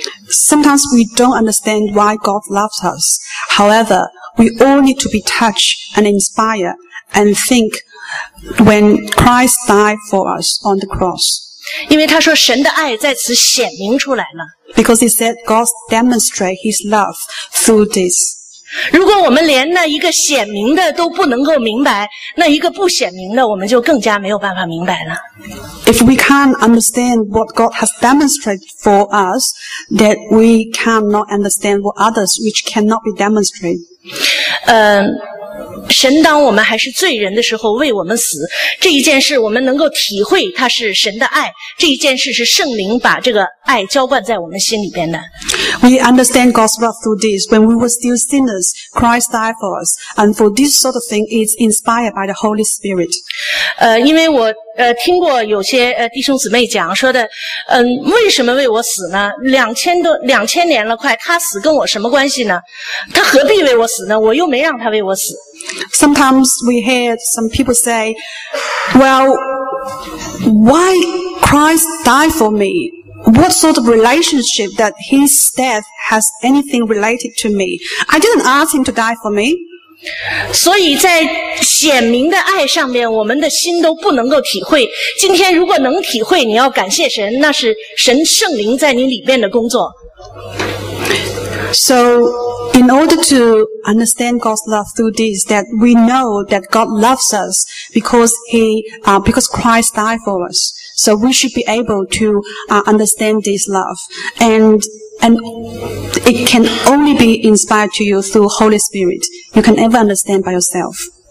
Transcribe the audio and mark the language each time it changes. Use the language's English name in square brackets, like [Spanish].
[English] Sometimes we don't understand why God loves us. However, we all need to be touched and inspired and think when Christ died for us on the cross. [Chinese] 因为他说神的爱在此显明出来了。 [English] Because he said God demonstrate his love through this. [Chinese] 如果我们连那一个显明的都不能够明白，那一个不显明的我们就更加没有办法明白了。 [English] If we can't understand what God has demonstrated for us, that we cannot understand what others which cannot be demonstrated. [Chinese] 神当我们还是罪人的时候为我们死，这一件事我们能够体会它是神的爱，这一件事是圣灵把这个爱浇灌在我们心里边的。 [English] We understand God's love through this. When we were still sinners, Christ died for us. And for this sort of thing, it's inspired by the Holy Spirit. [Chinese] 因为我听过有些弟兄姊妹讲说的，为什么为我死呢？两千年了快，他死跟我什么关系呢？他何必为我死呢？我又没让他为我死。 [English] Sometimes we hear some people say, well, why Christ died for me? What sort of relationship that his death has anything related to me? I didn't ask him to die for me. [Chinese] 所以在显明的爱上面，我们的心都不能够体会。今天如果能体会，你要感谢神，那是神圣灵在你里面的工作。 [English] So,In order to understand God's love through this, that we know that God loves us because Christ died for us. So we should be able to understand this love. And it can only be inspired to you through Holy Spirit. You can never understand by yourself.